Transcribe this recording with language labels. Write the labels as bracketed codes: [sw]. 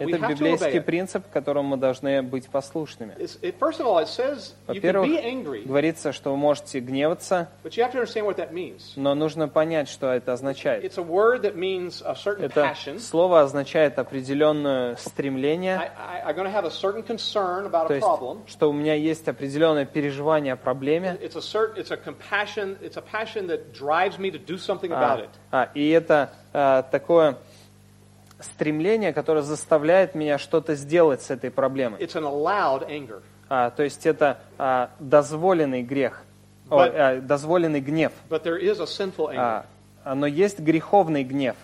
[ru] Это библейский принцип, которому мы должны быть послушными. [en] First of all, it says you can be angry. [ru] Говорится, что вы можете гневаться. [en] But you have to understand what that means. [ru] Но нужно понять, что это означает. [en] It's a word that means a certain passion. [ru] Это слово означает определенное стремление. [en] I'm going to have a certain concern about a problem. [ru] То есть, что у меня есть определенное переживание о проблеме. [en] It's a compassion. It's a passion that drives me to do something about it. [ru] И это такое стремление, которое заставляет меня что-то сделать с этой проблемой. [en] It's an allowed anger. [ru] То есть это дозволенный грех, дозволенный гнев. [en] But there is a sinful anger. [ru] Но есть греховный гнев.